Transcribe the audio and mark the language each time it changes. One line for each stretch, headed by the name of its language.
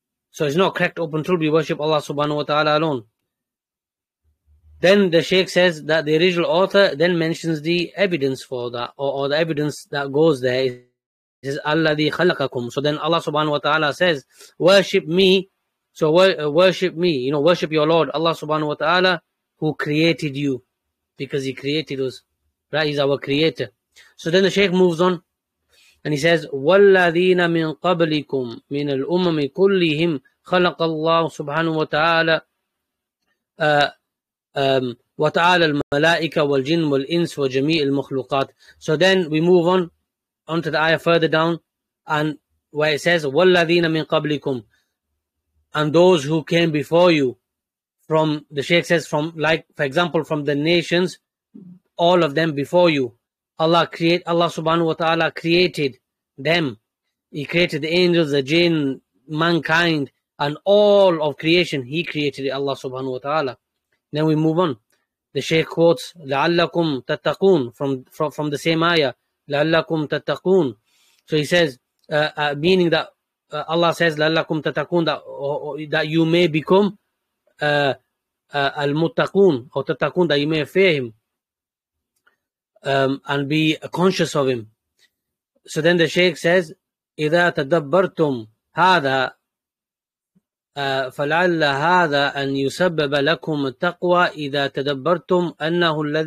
English: So it's not correct up until we worship Allah subhanahu wa ta'ala alone. Then the Shaykh says that the original author then mentions the evidence for that, or the evidence that goes there. It says,
Arabic: Alladhi khalaqakum.
English: So then Allah subhanahu wa ta'ala says, worship me. So worship me, you know, worship your Lord, Allah subhanahu wa ta'ala, who created you, because he created us, right? He's our creator. So then the Shaykh moves on, and he says,
Arabic: وَالَّذِينَ مِنْ قَبْلِكُمْ مِنَ الْأُمَّمِ كُلِّهِمْ خَلَقَ اللَّهُ سُبْحَانَهُ وَتَعَالَى وَتَعَالَى الْمَلَائِكَ وَالْجِنِّ وَالْإِنسِ وَجَمِيعِ الْمُخْلُقَاتِ.
English: So then we move on to the ayah further down, and where it says,
Arabic: وَالَّذِينَ مِنْ قَبْلِكُمْ,
English: and those who came before you, from, the Shaykh says, from, like, for example, from the nations, all of them before you, Allah subhanahu wa ta'ala created them. He created the angels, the jinn, mankind, and all of creation. He created it, Allah subhanahu wa ta'ala. Then we move on. The Shaykh quotes,
Arabic: لَعَلَّكُمْ تَتَّقُونَ,
English: from the same ayah.
Arabic: لَعَلَّكُمْ تَتَّقُونَ.
English: So he says, meaning that Allah says,
Arabic: لَعَلَّكُمْ تَتَّقُونَ,
English: that you may become al-muttaqun, or tattaqun, that you may fear him and be conscious of him. So then the Shaykh says,
Arabic: إِذَا تَدَبَّرْتُمْ هَذَا فَلَعَلَّ هَذَا أَن يُسَبَّبَ لَكُمْ التَّقْوَى إِذَا تَدَبَّرْتُمْ أَنَّهُ